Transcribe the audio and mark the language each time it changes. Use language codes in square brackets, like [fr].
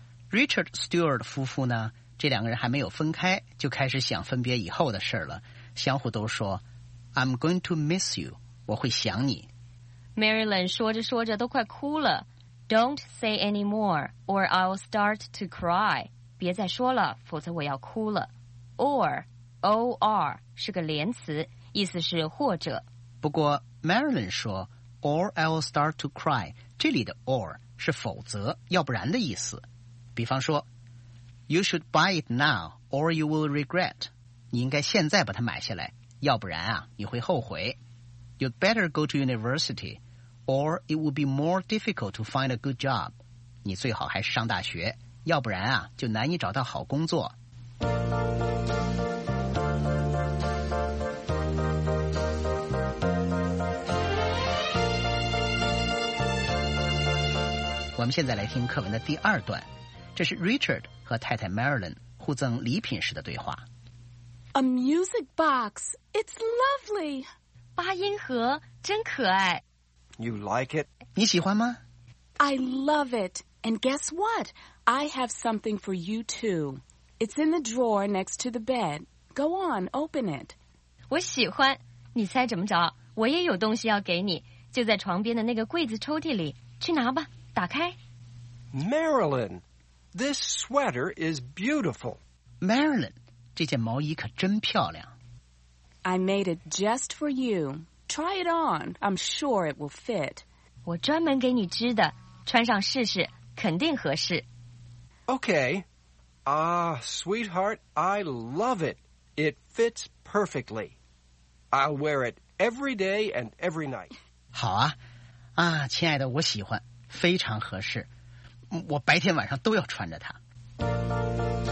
[zh] Richard Stewart 夫妇呢，这两个人还没有分开就开始想分别以后的事了，相互都说 [en] I'm going to miss you, [zh] 我会想你。 Marilyn 说着说着都快哭了， [en] Don't say anymore or I'll start to cry, [zh] 别再说了，否则我要哭了。 OR 是个连词，意思是或者。不过 Marilyn 说 [en] or I'll start to cry, [zh] 这里的 or 是否则要不然的意思，比方说 [en] You should buy it now or you will regret. [zh] 你应该现在把它买下来，要不然啊你会后悔。 [en] You'd better go to university or it would be more difficult to find a good job. [zh] 你最好还是上大学，要不然啊就难以找到好工作。我们现在来听课文的第二段，这是 Richard 和太太 Marilyn 互赠礼品时的对话。 [en] A music box, it's lovely. [zh] 八音盒真可爱。 [en] You like it? [zh] 你喜欢吗？ [en] I love it. And guess what? I have something for you too. It's in the drawer next to the bed. Go on, open it. [zh] 我喜欢。你猜怎么着？我也有东西要给你，就在床边的那个柜子抽屉里。去拿吧，打开。 [en] Marilyn! This sweater is beautiful. [zh] Marilyn, 这件毛衣可真漂亮。 [en] I made it just for you. Try it on. I'm sure it will fit. [zh] 我专门给你织的，穿上试试，肯定合适。 [en] Okay. Ah, sweetheart, I love it. It fits perfectly. I'll wear it every day and every night. [zh] 好啊。啊，亲爱的，我喜欢，非常合适。我白天晚上都要穿着它。